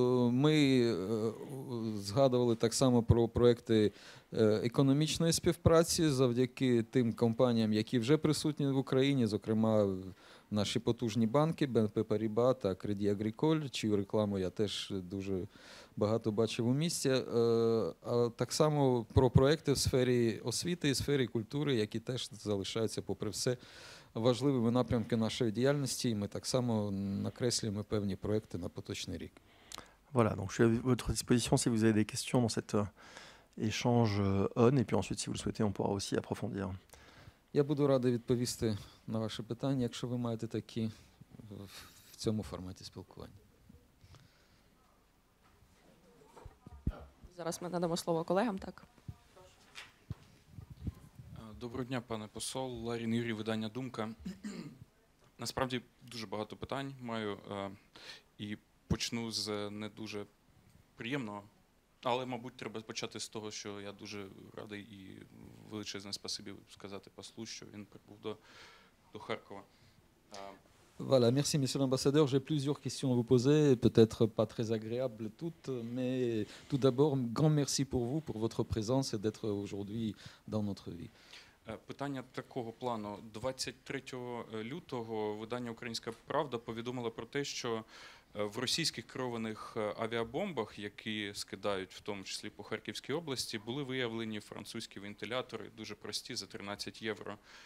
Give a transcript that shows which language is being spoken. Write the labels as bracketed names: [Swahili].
[Ukrainian] Ми згадували так само про проекти економічної співпраці завдяки тим компаніям, які вже присутні в Україні, зокрема, наші потужні банки, BNP Paribas та Crédit Agricole, чию рекламу я теж дуже багато бачив у місті, а так само про проекти в сфері освіти і сфері культури, які теж залишаються, попри все, важливими напрямки нашої діяльності, і ми так само накреслюємо певні проекти на поточний рік. [French] Voilà, donc je suis à votre disposition si vous avez des questions dans cet échange ON, et puis ensuite, si vous le souhaitez, on pourra aussi approfondir. [Ukrainian] Я буду радий відповісти на ваше питання, якщо ви маєте такі в цьому форматі спілкування. Зараз ми надамо слово колегам, так? Доброго дня, пане посол. Ларін Юрій, видання «Думка». Насправді дуже багато питань маю і почну з не дуже приємного. Але, мабуть, треба почати з того, що я дуже радий і величезне спасибі сказати послу, що він прибув до Харкова. [French] Voilà, merci monsieur l'ambassadeur. J'ai plusieurs questions à vous poser, peut-être pas très agréables toutes, mais tout d'abord, grand merci pour vous, pour votre présence et d'être aujourd'hui dans notre vie. [Ukrainian] Питання такого плану. 23 лютого видання «Українська правда» повідомило про те, що в російських керованих авіабомбах, які скидають, в тому числі по Харківській області, були виявлені французькі вентилятори, дуже прості, за 13 євро.